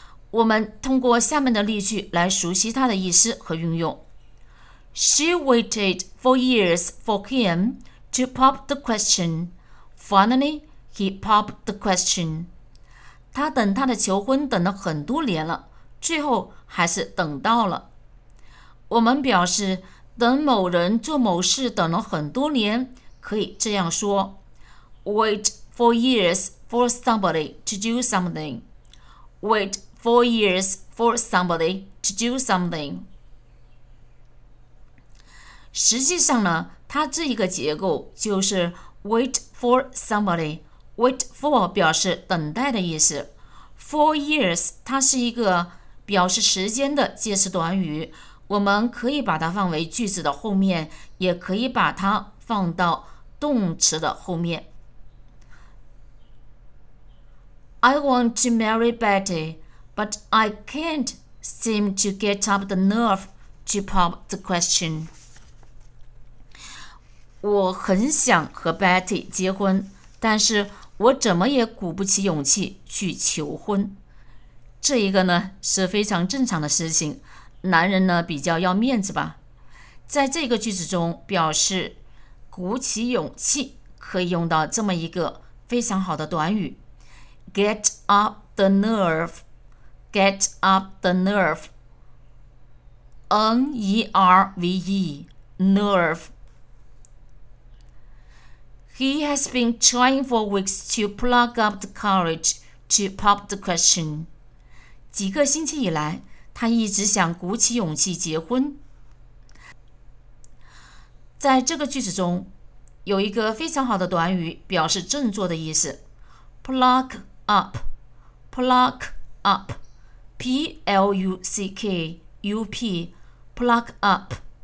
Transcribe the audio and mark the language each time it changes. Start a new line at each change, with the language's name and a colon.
Chinese: 我们通过下面的例句来熟悉它的意思和运用。
English: She waited for years for him to pop the question. Finally, he popped the question.
Chinese: 她等她的求婚等了很多年了，最后还是等到了。我们表示等某人做某事等了很多年，可以这样说
English: Wait for years for somebody to do something. Wait for years for somebody to do something.
Chinese: 实际上呢，它这一个结构就是 wait for somebody. Wait for 表示等待的意思， for years 它是一个表示时间的介词短语，我们可以把它放为句子的后面，也可以把它放到动词的后面。
English: I want to marry Betty, but I can't seem to get up the nerve to pop the question.
Chinese: 我很想和 Betty 结婚，但是我怎么也鼓不起勇气去求婚。这一个呢是非常正常的事情，男人呢比较要面子吧。在这个句子中表示鼓起勇气，可以用到这么一个非常好的短语 get up the nerve， get up the nerve， N-E-R-V-E nerve。
English: He has been trying for weeks to pluck up the courage to pop the question.
Chinese: 几个星期以来，他一直想鼓起勇气结婚。在这个句子中，有一个非常好的短语表示振作的意思 ，pluck up， pluck up， p l u c k u p， pluck up。